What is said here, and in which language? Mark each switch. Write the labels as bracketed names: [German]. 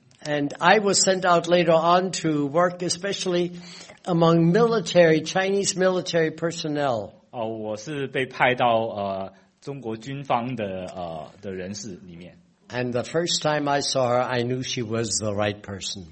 [English] And I was sent out later on to work especially among military, Chinese military personnel. [Chinese] 我是被派到中国军方的人士里面。 [English] And the first time I saw her, I knew she was the right person.